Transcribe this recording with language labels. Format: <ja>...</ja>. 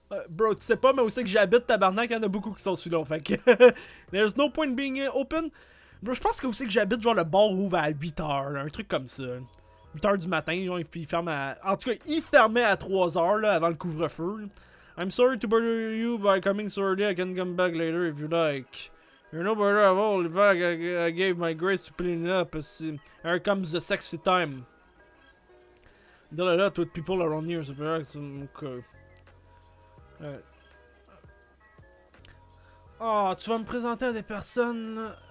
<fr>Bro, tu sais pas, mais où c'est que j'habite, tabarnak? Il y en a beaucoup qui sont celui-là, fait que...</fr> <en>There's no point being open.</en> <fr>Bro, je pense que où c'est que j'habite, genre le bar ouvre à 8h, un truc comme ça. 8h du matin, genre, puis il ferme à... En tout cas, il fermait à 3h, là, avant le couvre-feu.</fr> <en>I'm sorry to bother you by coming so early, I can come back later if you like. You're no better at all, in fact, I gave my grace to clean it up, as here comes the sexy time. There are a lot of people around here, so perhaps, okay.</en> <fr>Ah, tu vas me présenter à des personnes.</fr>